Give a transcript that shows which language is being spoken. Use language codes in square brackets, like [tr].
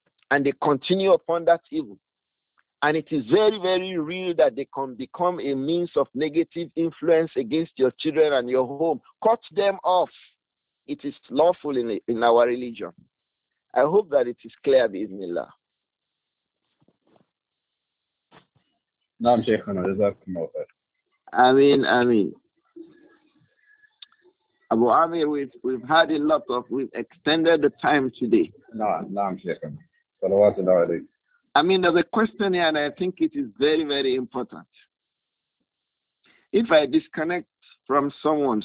[en] And they continue upon that evil. And it is very, very real that they can become a means of negative influence against your children and your home. Cut them off. It is lawful in our religion. I hope that it is clear, bismillah. [ar] نعم شيخنا جزاكم الله خير. آمين آمين. [en] أبو عامر, we've had a lot of, we've extended the time today. [ar] نعم شيخنا. صلوات الله عليك. [en] I mean, there's a question here and I think it is very, very important. If I disconnect from someone.